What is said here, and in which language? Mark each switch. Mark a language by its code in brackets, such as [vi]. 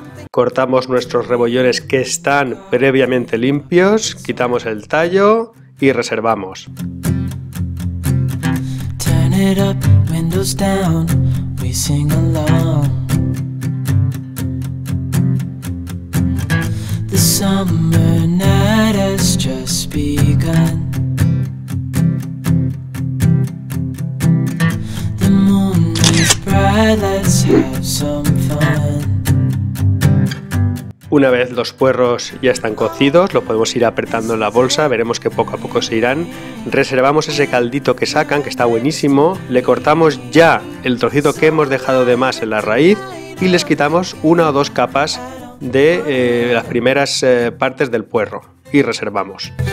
[es] Cortamos nuestros rebollones que están previamente limpios, quitamos el tallo y reservamos. [en] Turn it up, windows down, we sing along. The summer night has just begun. The moon is bright, let's have some fun. [es] Una vez los puerros ya están cocidos, lo podemos ir apretando en la bolsa, veremos que poco a poco se irán. Reservamos ese caldito que sacan, que está buenísimo, le cortamos ya el trocito que hemos dejado de más en la raíz y les quitamos una o dos capas de las primeras partes del puerro y reservamos.